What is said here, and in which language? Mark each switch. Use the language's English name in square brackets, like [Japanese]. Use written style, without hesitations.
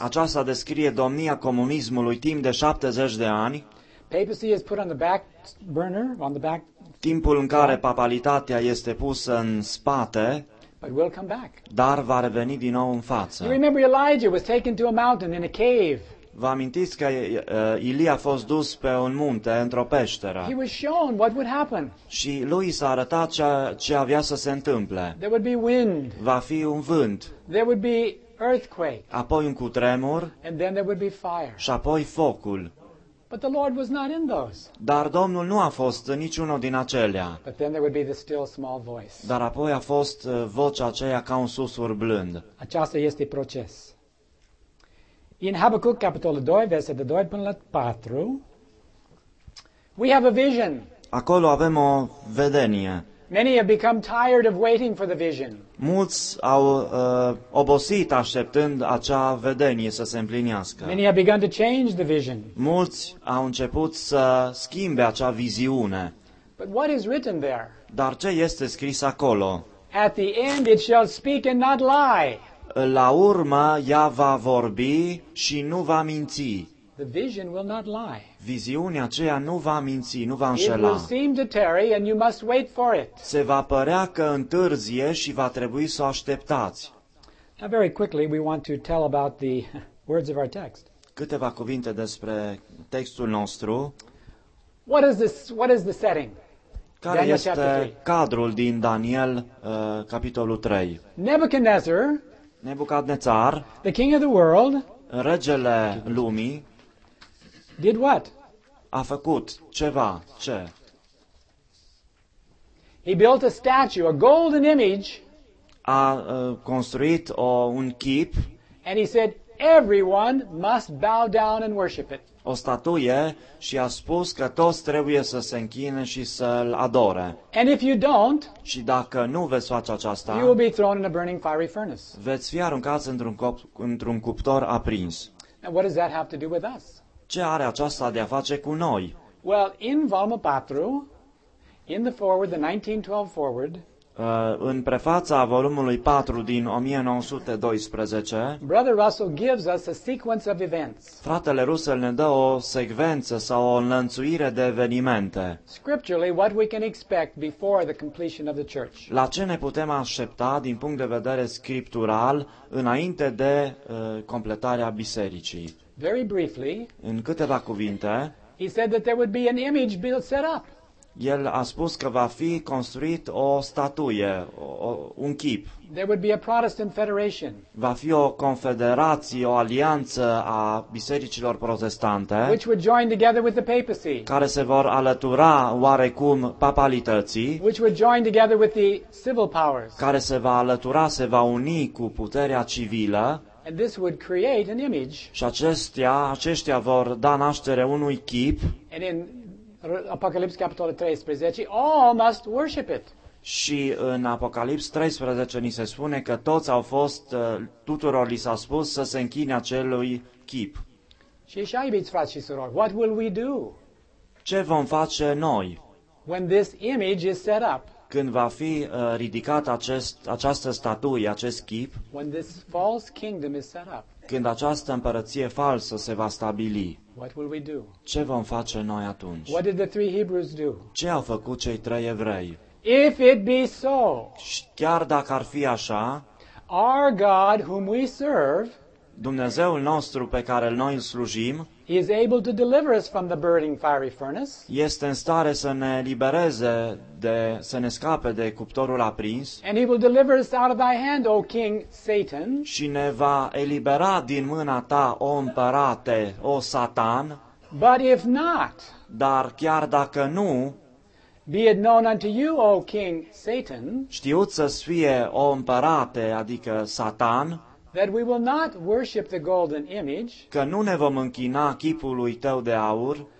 [Romanian] Aceasta descrie domnia comunismului timp de 70 de ani. [English] Papacy is put on the back burner, on the back. [Romanian] Timpul în care papalitatea este pusă în spate. [English] But we'll come back. [Romanian] Dar va reveni din nou în față. [English] You remember Elijah was taken to a mountain in a cave. [Romanian] Vă amintiți că Ilie a fost dus pe un munte, într-o peșteră. [English] He was shown what would happen. [Romanian] Și lui s-a arătat ce avea să se întâmple. [English] There would be wind. [Romanian] Va fi un vânt. [English] There would be earthquake. [Romanian] Apoi un cutremur. [English] And then there would be fire. [Romanian] Și apoi focul. [English] But the Lord was not in those. [Romanian] Dar Domnul nu a fost niciunul din acelea. [English] But then there would be the still small voice. [Romanian] Dar apoi a fost vocea aceea ca un susur blând. Aceasta este proces. In Habacuc capitolul 2, versetul 2 până la 4. [English] We have a vision. [Romanian] Acolo avem o vedenie. [English] Many have become tired of waiting for the vision. [Romanian] Mulți au obosit așteptând acea vedenie să se împlinească. [English] Many have begun to change the vision. [Romanian] Mulți au început să schimbe acea viziune. [English] But what is written there? [Romanian] Dar ce este scris acolo? [English] At the end it shall speak and not lie. [Romanian] La urmă ea va vorbi și nu va minți. [English] The vision will not lie. [Romanian] Viziunea aceea nu va minți, nu va înșela. [English] It will seem to tarry and you must wait for it. [Romanian] Se va părea că întârzie și va trebui să așteptați. [English] Now, very quickly we want to tell about the words of our text. [Romanian] Câteva cuvinte despre textul nostru. [English] What is the setting? [Romanian] Care Daniel este cadrul din Daniel capitolul 3? [English] Nebucadnezar, the king of the world, [Romanian] regele lumii. [English] Did what? [Romanian] A făcut ceva. Ce? [English] He built a statue, a golden image. [Romanian] A construit un chip. [English] And he said everyone must bow down and worship it. [Romanian] O statuie și a spus că toți trebuie să se închine și să-l adore. [English] And if you don't, [Romanian] și dacă nu veți face aceasta, [English] you will be thrown in a burning fiery furnace. [Romanian] Veți fi aruncați într-un cuptor aprins. [English] And what does that have to do with us? [Romanian] Ce are aceasta de a face cu noi? [English] Well, in [Romanian] volumul 4, [English] in the forward, the 1912 forward, [Romanian] în prefața volumului 4 din 1912, [English] Brother Russell gives us a sequence of events. [Romanian] Fratele Russell ne dă o secvență sau o înlănțuire de evenimente. [English] Scripturally, what we can expect before the completion of the church. [Romanian] La ce ne putem aștepta din punct de vedere scriptural înainte de completarea bisericii? [English] Very briefly, [Romanian] în câteva cuvinte, [English] he said that there would be an image built set up. [Romanian] El a spus că va fi construit o statuie, un chip. [English] There would be a Protestant Federation. [Romanian] Va fi o confederație, o alianță a bisericilor protestante, [English] which would join together with the papacy. [Romanian] Care se vor alătura oarecum papalității, [English] which would join together with the civil powers. [Romanian] Care se va alătura, se va uni cu puterea civilă. [English] And this would create an image. [Romanian] Și aceștia vor da naștere unui chip. [English] And in [Romanian] Apocalipsa capitolul 13, [English] all must worship it. [Romanian] Și în Apocalipsa 13 ni se spune că toți au fost, tuturor li s-a spus să se închine acelui chip. Și așa, iubiți frați și surori, [English] what will we do? [Romanian] Ce vom face noi? [English] When this image is set up. [Romanian] Când va fi ridicat această statuie, acest chip, [English] when this false kingdom is set up, [Romanian] când această împărăție falsă se va stabili, [English] what will we do? [Romanian] Ce vom face noi atunci? [English] What did the three Hebrews do? [Romanian] Ce au făcut cei trei evrei? [English] If it be so, [Romanian] chiar dacă ar fi așa, [English] our God whom we serve, [Romanian] Dumnezeul nostru pe care noi îl slujim, [English] he is able to deliver us from the burning fiery furnace. [Romanian] Este în stare să ne libereze să ne scape de cuptorul aprins. [English] And he will deliver us out of thy hand, O King Satan. [Romanian] Și ne va elibera din mâna ta, o împărate, o Satan. [English] But if not, [Romanian] dar chiar dacă nu, [English] be it known unto you, O King Satan, [Romanian] știut să-ți fie, o împărate, adică Satan, [English] that we will not worship the golden image, [Romanian] că nu ne vom închina chipului tău de aur,